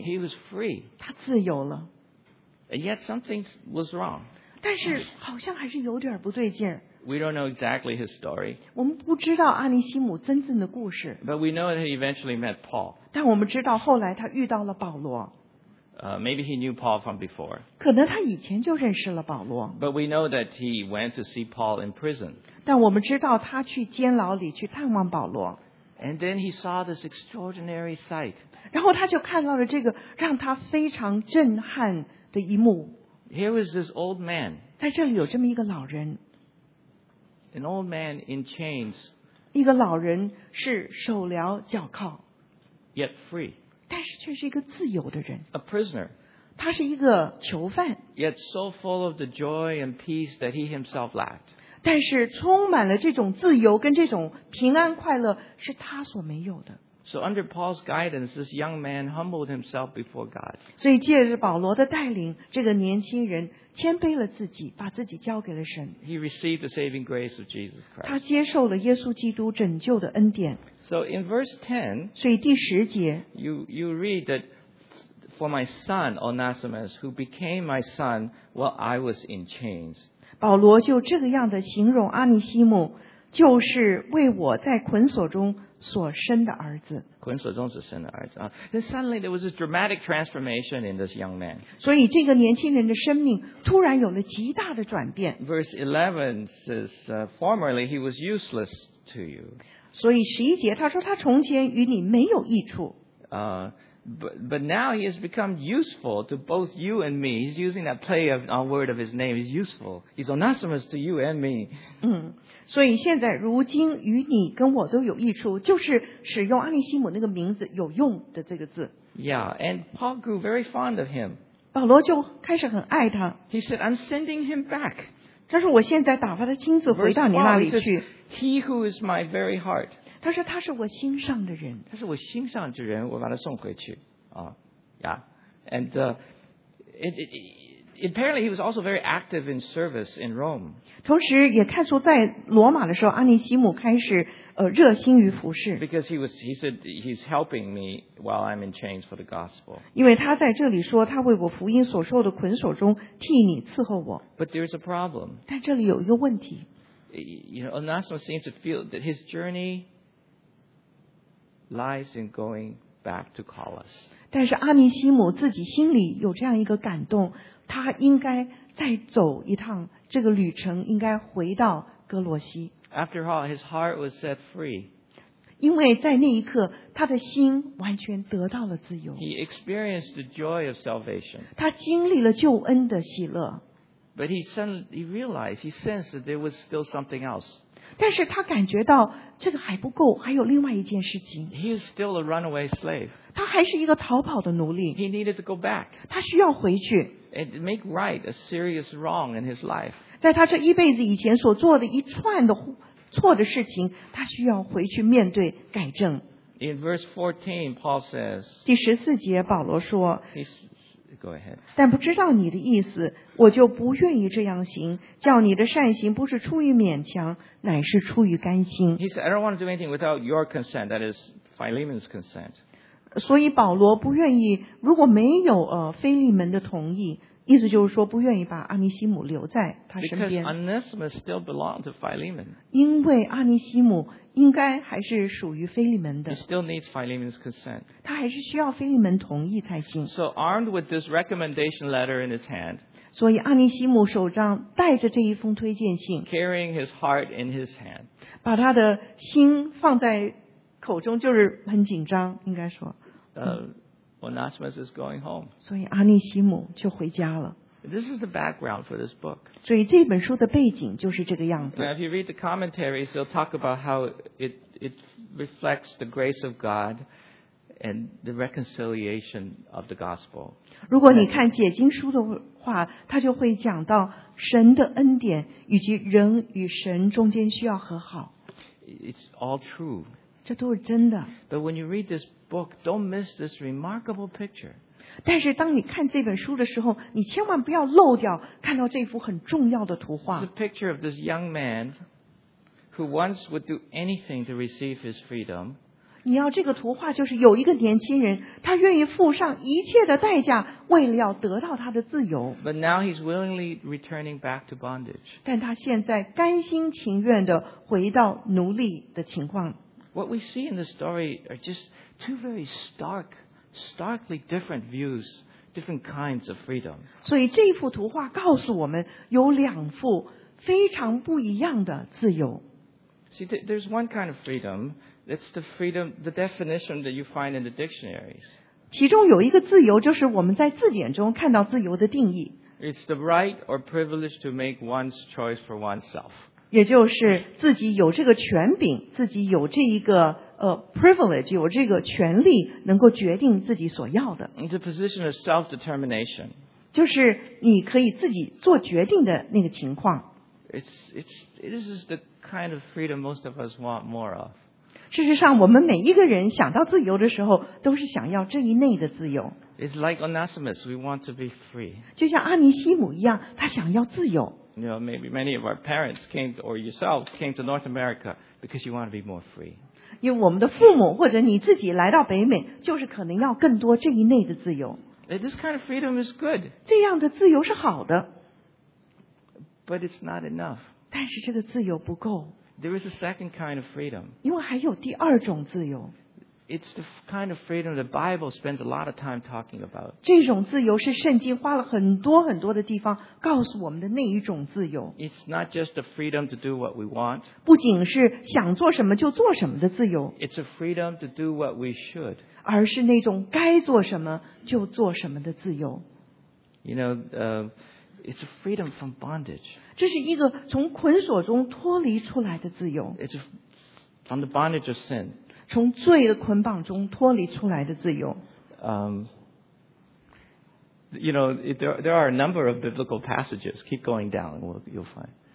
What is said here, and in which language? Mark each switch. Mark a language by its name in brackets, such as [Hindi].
[English] He was free. [Chinese] 他自由了。 [English] And yet something was wrong. [Chinese] 但是好像还是有点不对劲。 [English] We don't know exactly his story. [Chinese] 我们不知道阿尼西姆真正的故事。 [English] But we know that he eventually met Paul. [Chinese] 但我们知道后来他遇到了保罗。 [English] Maybe he knew Paul from before. [Chinese] 可能他以前就认识了保罗。 [English] But we know that he went to see Paul in prison. [Chinese] 但我们知道他去监牢里去探望保罗。 [English] And then he saw this extraordinary sight. [Chinese] 然后他就看到了这个让他非常震撼的一幕。 [English] Here was this old man. [Chinese] 在这里有这么一个老人。 [English] An old man in chains. [Chinese] 一个老人是手镣脚铐。 [English] Yet free. [Chinese] 但是却是一个自由的人。 [English] A prisoner. [Chinese] 他是一个囚犯。 [English] Yet so full of the joy and peace that he himself lacked. [Chinese] 但是充满了这种自由跟这种平安快乐是他所没有的。 [English] So under Paul's guidance, this young man humbled himself before God. [Chinese] 所以借着保罗的带领，这个年轻人谦卑了自己，把自己交给了神。 [English] He received the saving grace of Jesus Christ. [Chinese] 他接受了耶稣基督拯救的恩典。 [English] So in verse 10, [Chinese] 所以第十节 [English] you read that for my son Onesimus, who became my son while I was in chains. [Chinese] 保罗就这个样的形容阿尼西姆，就是为我在捆锁中所生的儿子。捆锁中所生的儿子。 [English] Then suddenly there was a dramatic transformation in this young man. [Chinese] 所以这个年轻人的生命突然有了极大的转变。 [English] Verse 11 says, formerly he was useless to you. [Chinese] 所以十一节他说他从前与你没有益处。 [English] But now he has become useful to both you and me. He's using that play of our word of his name. He's useful. He's Onesimus to you and me. [Chinese] 所以现在如今与你跟我都有益处，就是使用阿尼西姆那个名字有用的这个字。 [English] Yeah, and Paul grew very fond of him. [Chinese] 保罗就开始很爱他。 [English] He said, I'm sending him back. [Chinese] 他说我现在打发他亲自回到你那里去。 [English] Verse 12, he who is my very heart. [Chinese] 他说他是我心上的人，他是我心上之人，我把他送回去啊呀。 [English] And apparently he was also very active in service in Rome. [Chinese] 同时也看出在罗马的时候，阿尼西姆开始热心于服事。 [English] Because he said he's helping me while I'm in chains for the gospel. [Chinese] 因为他在这里说他为我福音所受的捆锁中替你伺候我。 [English] But there's a problem. [Chinese] 但这里有一个问题。 [English] You know, Onesimus seems to feel that his journey. Lies in going back to Colossus. [Chinese] 但是阿尼西姆自己心里有这样一个感动，他应该再走一趟这个旅程，应该回到哥罗西。 [English] After all, his heart was set free. [Chinese] 因为在那一刻，他的心完全得到了自由。 [English] He experienced the joy of salvation. [Chinese] 他经历了救恩的喜乐。 [English] But he suddenly realized, he sensed that there was still something else. [Chinese] 但是他感觉到这个还不够，还有另外一件事情。 [English] He is still a runaway slave. [Chinese] 他还是一个逃跑的奴隶。 [English] He needed to go back. [Chinese] 他需要回去。 [English] And make right a serious wrong in his life. [Chinese] 在他这一辈子以前所做的一串的错的事情，他需要回去面对改正。 [English] In verse 14, Paul says. [Chinese] 第十四节，保罗说。 [English] Go ahead. [Chinese] 但不知道你的意思，我就不愿意这样行，叫你的善行不是出于勉强，乃是出于甘心。 [English] He said, I don't want to do anything without your consent, that is Philemon's consent. [Chinese] 所以保罗不愿意，如果没有腓利门的同意，意思就是说不愿意把阿尼西姆留在他身边。 [English] Because Onesimus still belonged to Philemon. [Chinese] 因为阿尼西姆应该还是属于腓利门的。 [English] He still needs Philemon's consent. [Chinese] 他还是需要腓利门同意才行。 [English] So armed with this recommendation letter in his hand. [Chinese] 所以阿尼西姆手上带着这一封推荐信。 [English] Carrying his heart in his hand. [Chinese] 把他的心放在口中，就是很紧张，应该说。 [English] Onesimus is going home. [Chinese] 所以阿尼西姆就回家了。 [English] This is the background for this book. [Chinese] 所以这本书的背景就是这个样子。 [English] Now, if you read the commentaries, they'll talk about how it reflects the grace of God and the reconciliation of the gospel. [Chinese] 如果你看解经书的话，它就会讲到神的恩典以及人与神中间需要和好。 [English] It's all true. [Chinese] 这都是真的。 [English] But when you read this book, don't miss this remarkable picture. [Chinese] 但是当你看这本书的时候，你千万不要漏掉看到这幅很重要的图画。 [English] It's a picture of this young man who once would do anything to receive his freedom. [Chinese] 你要这个图画就是有一个年轻人，他愿意付上一切的代价，为了要得到他的自由。 [English] But now he's willingly returning back to bondage. [Chinese] 但他现在甘心情愿地回到奴隶的情况。 [English] What we see in the story are just two very starkly different views, different kinds of freedom. [Chinese] 所以这幅图画告诉我们，有两幅非常不一样的自由。 [English] See, there's one kind of freedom. That's the freedom, the definition that you find in the dictionaries. [Chinese] 其中有一个自由，就是我们在字典中看到自由的定义。 [English] It's the right or privilege to make one's choice for oneself. [Chinese] 也就是自己有这个权柄，自己有这一个privilege, 有这个权利，能够决定自己所要的。 [English] It's a position of self-determination. [Chinese] 就是你可以自己做决定的那个情况。 [English] This is the kind of freedom most of us want more of. [Chinese] 事实上，我们每一个人想到自由的时候，都是想要这一类的自由。 [English] It's like Onesimus, we want to be free. [Chinese] 就像阿尼西姆一样，他想要自由。 [English] You know, maybe many of our parents came, or yourself came to North America because you want to be more free. [Chinese] 因为我们的父母或者你自己来到北美，就是可能要更多这一类的自由。 [English] This kind of freedom is good. [Chinese] 这样的自由是好的。 [English] But it's not enough. [Chinese] 但是这个自由不够。 [English] There is a second kind of freedom. [Chinese] 因为还有第二种自由。 [English] It's the kind of freedom the Bible spends a lot of time talking about. [Chinese] 这种自由是圣经花了很多很多的地方告诉我们的那一种自由。 [English] It's not just the freedom to do what we want. [Chinese] 不仅是想做什么就做什么的自由。 [English] It's a freedom to do what we should. [Chinese] 而是那种该做什么就做什么的自由。 [English] You know, It's a freedom from bondage. [Chinese] 这是一个从捆锁中脱离出来的自由。 [English] It's from the bondage of sin. [Chinese] 从罪的捆绑中脱离出来的自由。 [English] You know, there are a number of biblical passages. Keep going down, and you'll find.